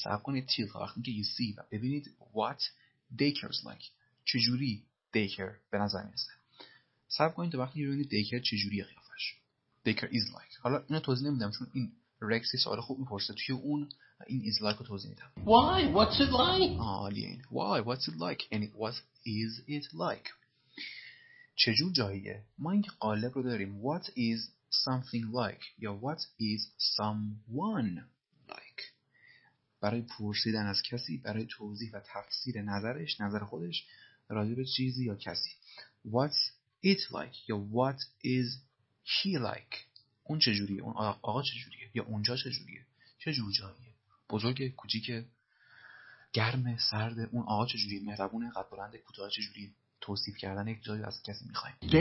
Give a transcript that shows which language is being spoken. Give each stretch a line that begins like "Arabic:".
English: صبر کنید till وقتی که you see و ببینید what daycare is like.
Persian: چجوری daycare به نظر میرسه. صبر کنید تا وقتی ببینید daycare چجوریه قیافش.
English: Daycare is like.
Persian: حالا اینو توضیح نمیدم چون این رکسی سوال خوب میپرسه. توی اون این is like رو توضیح میدم.
English: Why? What's it like? آلیین. Why? What's it like? And what is it like?
Persian: چجور جاییه؟ ما این قالب رو داریم.
English: What is something like? یا what is someone like?
Persian: برای پرسیدن از کسی، برای توضیح و تفسیر نظرش، نظر خودش، راجع به چیزی یا کسی.
English: What's it like? یا what is he like?
Persian: اون چجوریه؟ اون آقا چجوریه؟ یا اونجا چجوریه؟ چجور جاییه؟ بزرگه؟ کوچیکه؟ گرمه؟ سرده؟ اون آقا چجوریه؟ مهربونه؟ قد بلنده؟ کوتاه؟ چجوریه؟ توصیف کردن یک جایی از کسی میخواییم.